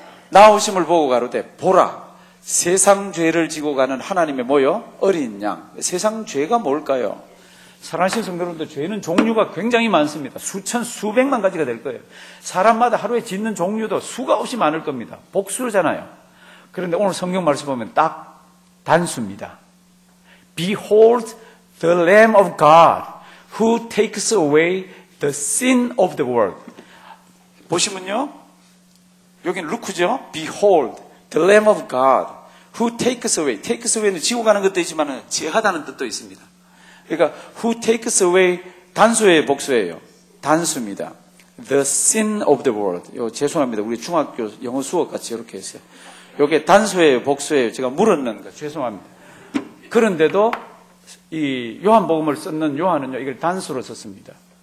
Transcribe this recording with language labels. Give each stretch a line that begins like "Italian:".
Korean: 나오심을 보고 가로되 보라, 세상 죄를 지고 가는 하나님의 뭐요? 어린 양. 세상 죄가 뭘까요? 사랑하신 성도 여러분들, 죄는 종류가 굉장히 많습니다. 수천 수백만 가지가 될 거예요. 사람마다 하루에 짓는 종류도 수가 없이 많을 겁니다. 복수잖아요. 그런데 오늘 성경 말씀 보면 딱 단수입니다.
English: Behold the Lamb of God who takes away the sin of the world.
Korean: 보시면요, 여기는 루크죠.
English: Behold the Lamb of God who takes away.
Korean: Takes away는 지고 가는 것도 있지만 제하다는 뜻도 있습니다. 그러니까 who takes away 단수의 복수예요. 단수입니다.
English: The sin of the world.
Korean: 요 죄송합니다. 우리 중학교 영어 수업 같이 이렇게 했어요. 이게 단수예요, 복수예요. 제가 물었는 거 죄송합니다. 그런데도 이 요한복음을 썼는 요한은요 이걸 단수로 썼습니다.